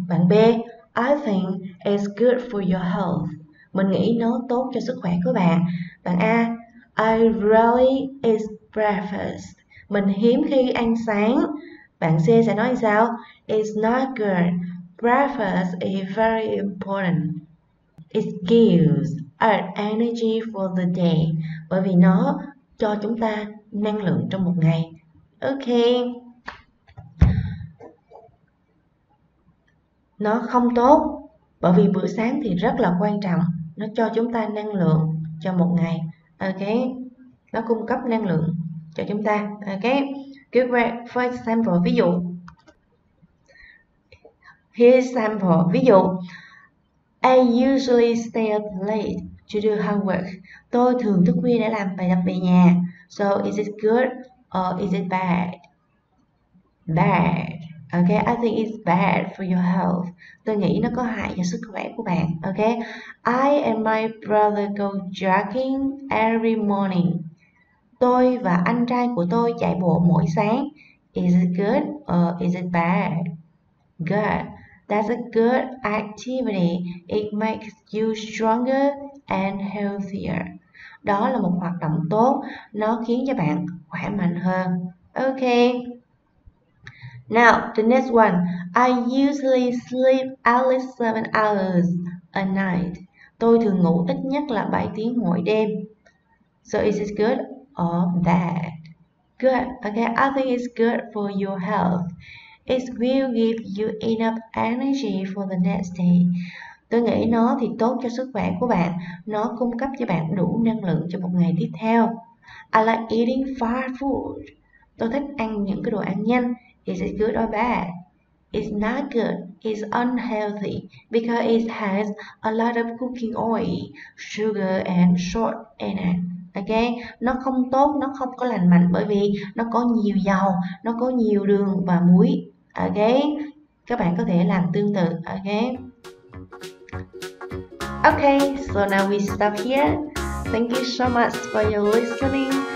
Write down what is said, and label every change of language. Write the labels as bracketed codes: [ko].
[en] Bạn B, I think it's good for your health. [vi] Mình nghĩ nó tốt cho sức khỏe của bạn. [en] Bạn A, I rarely eat breakfast. [vi] Mình hiếm khi ăn sáng. Bạn C sẽ nói sao? [en] It's not good. Breakfast is very important. It gives us energy for the day. [vi] Bởi vì nó cho chúng ta năng lượng trong một ngày. Ok. Nó không tốt. Bởi vì bữa sáng thì rất là quan trọng. Nó cho chúng ta năng lượng cho một ngày. Ok. Nó cung cấp năng lượng cho chúng ta. [en] Ok. Good work. For example, [vi] ví dụ. [en] Here's example. [vi] Ví dụ. [en] I usually stay up late to do homework. [vi] Tôi thường thức khuya để làm bài tập về nhà. [en] So is it good or is it bad? Bad. Ok. I think it's bad for your health. [vi] Tôi nghĩ nó có hại cho sức khỏe của bạn. [en] Ok. I and my brother go jogging every morning. [vi] Tôi và anh trai của tôi chạy bộ mỗi sáng. [en] Is it good or is it bad? Good. That's a good activity. It makes you stronger and healthier. [vi] Đó là một hoạt động tốt. Nó khiến cho bạn khỏe mạnh hơn. Ok. [en] Now, the next one. I usually sleep at least 7 hours a night. [vi] Tôi thường ngủ ít nhất là 7 tiếng mỗi đêm. [en] So is it good? Or bad. Good. Okay, I think it's good for your health. It will give you enough energy for the next day. [vi] Tôi nghĩ nó thì tốt cho sức khỏe của bạn. Nó cung cấp cho bạn đủ năng lượng cho một ngày tiếp theo. [en] I like eating fast food. [vi] Tôi thích ăn những cái đồ ăn nhanh. [en] Is it good or bad? It's not good. It's unhealthy because it has a lot of cooking oil, sugar and salt in it. [vi] Ok, nó không tốt, nó không có lành mạnh bởi vì nó có nhiều dầu, nó có nhiều đường và muối. Ok, các bạn có thể làm tương tự. [en] Ok. Ok, so now we stop here. Thank you so much for your listening.